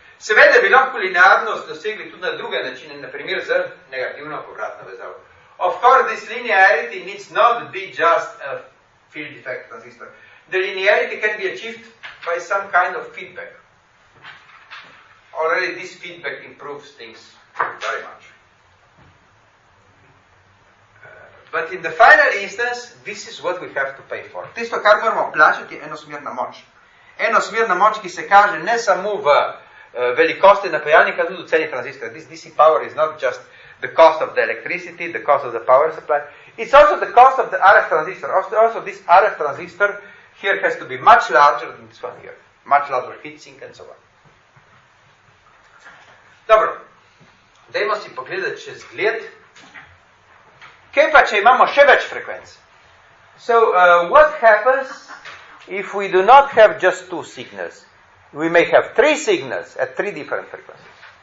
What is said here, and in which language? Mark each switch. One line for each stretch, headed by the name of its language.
Slovenian: Seveda bi lahko linearnost dosegli tudi na druge načine, na primer z negativno povratno vezavo.
English: Of course, this linearity needs not be just a field effect transistor. The linearity can be achieved by some kind of feedback. Already this feedback improves things very much. But in the final instance, this is what we have to pay for.
Slovenian: Tisto, kar moramo plačati, je enosmerna moč. Enosmerna moč, ki se kaže ne samo v velikosti napajalnika, tudi v ceni transistora.
English: This DC power is not just the cost of the electricity, the cost of the power supply. It's also the cost of the RF transistor. Also this RF transistor here has to be much larger than this one here. Much larger heatsink and so on.
Slovenian: Dobro. Dajmo si pogledati čez zgled. Kaj pa, če imamo še več frekvenc?
English: So, what happens if we do not have just two signals? We may have three signals at three different frequencies.